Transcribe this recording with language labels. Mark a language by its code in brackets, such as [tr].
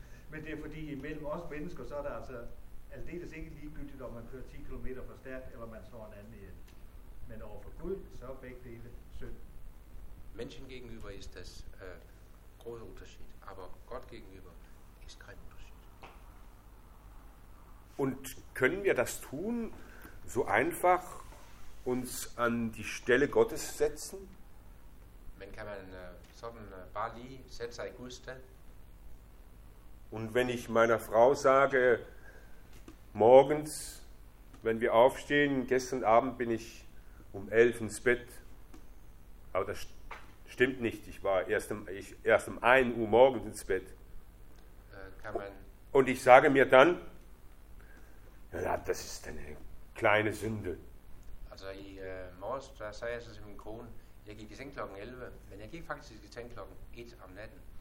[da] Men det er fordi, imellem os mennesker, så er det altså aldeles ikke ligegyldigt, om man kører 10 km for stærkt, eller man slår en anden ihjel. Men overfor Gud, så er begge dele synd. [de] Menschen gegenüber ist das große Unterschied, aber Gott gegenüber ist kein Unterschied. Und können wir das tun, so einfach uns an die Stelle Gottes setzen? [da] Men kann man sådan bare lige sætte sig i Guds sted? [de] Und wenn ich meiner Frau sage, morgens, wenn wir aufstehen, gestern Abend bin ich um 11 ins Bett, aber das stimmt nicht, ich war erst um 1 Uhr morgens ins Bett. Kann man und ich sage mir dann, ja, das ist eine kleine Sünde. [da] Also i morges, da sagde jeg så til min kone, jeg gik i seng klokken 11, men jeg gik faktisk i seng klokken 1 om natten.